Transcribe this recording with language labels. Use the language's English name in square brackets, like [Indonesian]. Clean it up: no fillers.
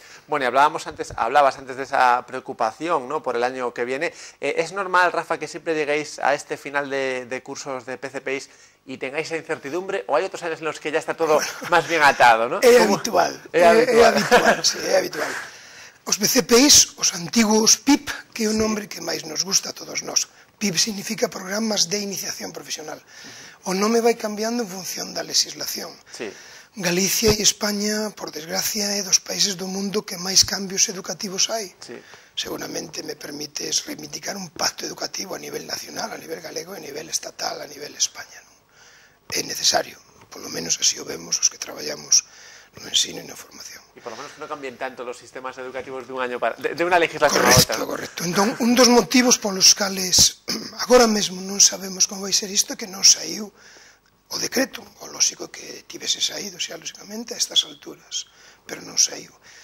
[Spanish] Bueno, y hablabas antes de esa preocupación, ¿no?, por el año que viene. ¿Es normal, Rafa, que siempre lleguéis a este final de cursos de PCPIs y tengáis esa incertidumbre? ¿O hay otros años en los que ya está todo más bien atado, ¿no? Es habitual. Es habitual. [Galician] Os PCPIs, os antiguos PIP, que é o nombre que máis nos gusta a todos nós. PIP significa Programas de Iniciación Profesional. O nome vai cambiando en función da legislación. Sí. Galicia e España, por desgracia, é dos países do mundo que máis cambios educativos hai. Sí. Seguramente me permites reivindicar un pacto educativo a nivel nacional, a nivel galego, a nivel estatal, a nivel España, ¿no? É necesario, polo menos así o vemos os que traballamos no ensino e na formación. E polo menos que non cambien tanto os sistemas educativos [Spanish] de un año para... [Galician] de unha legislación correcto, a outra. Correcto. Entón, un dos motivos polos cales agora mesmo non sabemos como vai ser isto, que non saiu o decreto, o lóxico que tivese saído, xa, lóxicamente, a estas alturas, pero non saiu.